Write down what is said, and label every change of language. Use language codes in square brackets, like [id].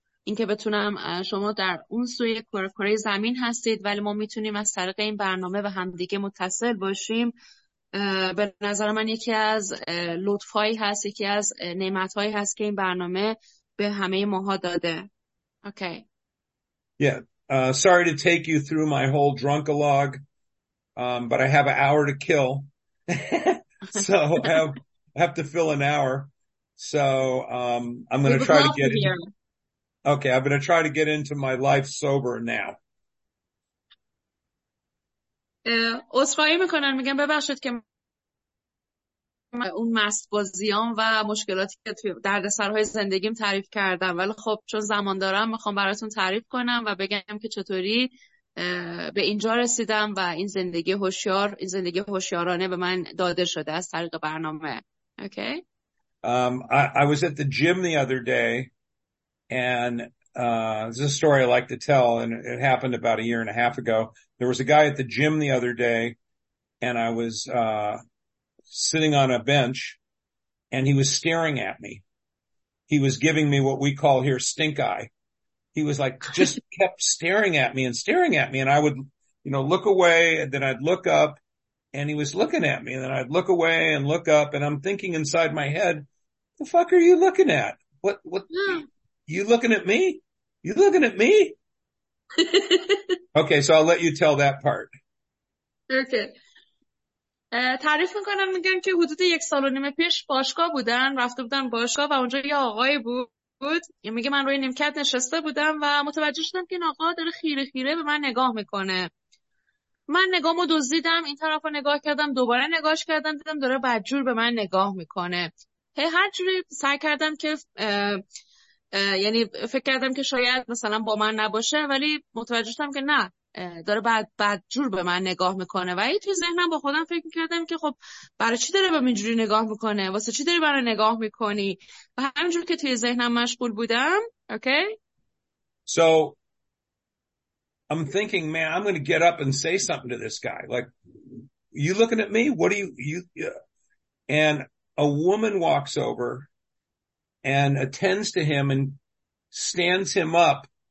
[fa] این که بتونم شما در اون سوی کره زمین هستید ولی ما میتونیم از طریق این برنامه و همدیگه متصل باشیم. به نظر من یکی از لطفایی هست، یکی از نعمتهایی هست که این برنامه به همه ماها داده. [en] Okay. Yeah. Sorry to take you through my whole drunkalogue, but I have an hour to kill. So I have to fill an hour. So I'm going to try to get here. Okay, I'm going to try to get into my life sober now. [fa] عذرخواهی میکنم، میگم ببخشید که اون مست بازیام و مشکلاتی که توی دردسرهای زندگیم تعریف کردم، ولی خب چون زمان دارم میخوام براتون تعریف کنم و بگم که چطوری به اینجا رسیدم و این زندگی هوشیار، این زندگی هوشیارانه به من داده شده از طریق برنامه. [en] Okay. I was at the gym the other day and this is a story I like to tell, and it happened about a year and a half ago. There was a guy at the gym the other day, and I was sitting on a bench, and he was staring at me. He was giving me what we call here stink eye. He was like, just kept staring at me and staring at me, and I would, you know, look away, and then I'd look up, and he was looking at me, and then I'd look away and look up, and I'm thinking inside my head, the fuck are you looking at? What? You looking at me? You looking at me? Okay, so I'll let you tell that part. Okay. [fa] تعریف میکنم، میگم که حدود یک سال و نیم پیش باشگاه بودن، رفته بودن باشگاه و اونجا یه آقای بود. میگه من روی نیمکت نشسته بودم و متوجه شدم که این آقا داره خیره خیره به من نگاه میکنه. من نگامو دزدیدم، این طرف رو نگاه کردم، دوباره نگاهش کردم، دیدم داره بدجور به من نگاه میکنه. هر جوری سعی کردم که یعنی فکر کردم که شاید مثلا با من نباشه، ولی متوجه شدم که نه، داره بعد جور به من نگاه میکنه. و این توی ذهنم با خودم فکر میکردم که خب برای چی داره به من اینجوری نگاه میکنه، واسه چی داره برای نگاه میکنی. و همینجور که توی ذهنم مشغول بودم، اوکی، [en] So I'm thinking, man, I'm going to get up and say something to this guy, like, you looking at me? What are you? And a woman walks over and attends to him and stands him up.